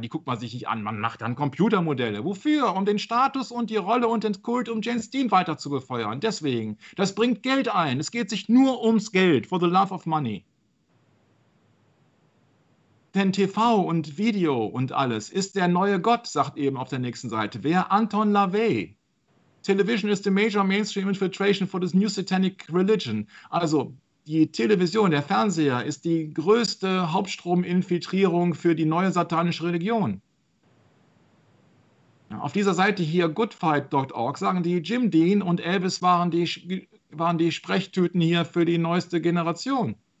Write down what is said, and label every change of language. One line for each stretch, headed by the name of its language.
German: Die guckt man sich nicht an. Man macht dann Computermodelle. Wofür? Um den Status und die Rolle und den Kult um James Dean weiter zu befeuern. Deswegen. Das bringt Geld ein. Es geht sich nur ums Geld.
English: For the love of money.
German: Denn TV und Video und alles ist der neue Gott, sagt eben auf der nächsten Seite. Wer? Anton LaVey.
English: Television is the major mainstream infiltration for this new satanic religion.
German: Also die Television, der Fernseher ist die größte Hauptstrominfiltrierung für die neue satanische Religion. Auf dieser Seite hier, goodfight.org, sagen die, Jim Dean und Elvis waren die Sprechtüten hier für die neueste Generation.